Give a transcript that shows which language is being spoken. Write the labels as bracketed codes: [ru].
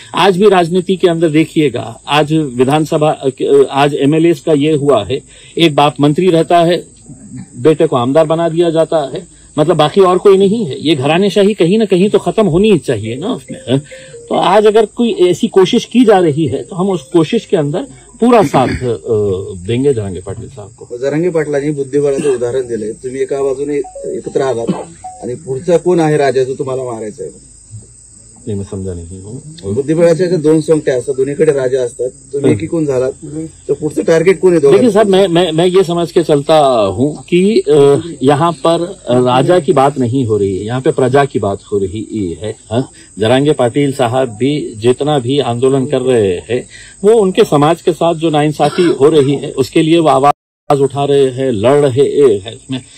[hi] आज भी राजनीति के अंदर देखिएगा, आज विधानसभा, आज एमएलए का ये हुआ है, एक बाप मंत्री रहता है, बेटे को आमदार बना दिया जाता है, मतलब बाकी और कोई नहीं है। ये घरानेशाही कहीं ना कहीं तो खत्म होनी चाहिए ना उसमें। तो आज अगर कोई ऐसी कोशिश की जा रही है तो हम उस कोशिश के अंदर पूरा साथ देंगे जरंगे पाटिल साहब को। [mr] जरंगे पाटला जी, बुद्धिबळाचं उदाहरण दिले तुम्ही, एका बाजूने एकत्र आहात आणि पुढचा कोण आहे राजा जो तुम्हाला मारायचा आहे? मी समजा नाही। बुद्धिबळाचे दोन सोंगटे असतात, दोन्हीकडे राजा असतात, तुम्ही एकी कोण झालात, तर पुढचं टार्गेट कोण आहे? [hi] देखिए साहब, मैं ये समझ के चलता हूँ कि यहाँ पर राजा की बात नहीं हो रही है, यहाँ पे प्रजा की बात हो रही है। जरांगे पाटिल साहब भी जितना भी आंदोलन कर रहे हैं, वो उनके समाज के साथ जो नाइंसाफी हो रही है उसके लिए वो आवाज उठा रहे हैं, लड़ रहे हैं।